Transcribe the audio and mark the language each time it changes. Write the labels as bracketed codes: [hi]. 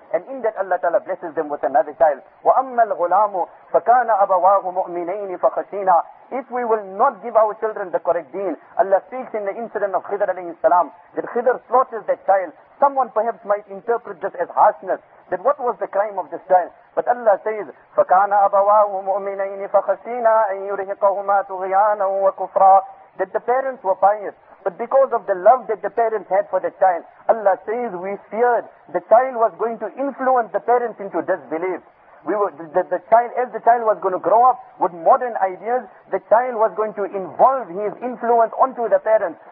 [en] And in that, Allah Ta'ala blesses them with another child. [ar] وَأَمَّا الْغُلَامُ فَكَانَ أَبَوَاهُ مُؤْمِنَيْنِ فَخَشِينَا. [en] If we will not give our children the correct deen, Allah speaks in the incident of Khidr alayhi salam, that Khidr slaughters that child. Someone perhaps might interpret this as harshness, that what was the crime of this child? But Allah says, [ar] فَكَانَ أَبَوَاهُ مُؤْمِنَيْنِ فَخَشِينَا أَن يُرْهِقَهُمَا تُغْيَانًا وَكُفْرًا. [en] That the parents were pious, but because of the love that the parents had for the child, Allah says, we feared the child was going to influence the parents into disbelief. The child was going to grow up with modern ideas, the child was going to involve his influence onto the parents.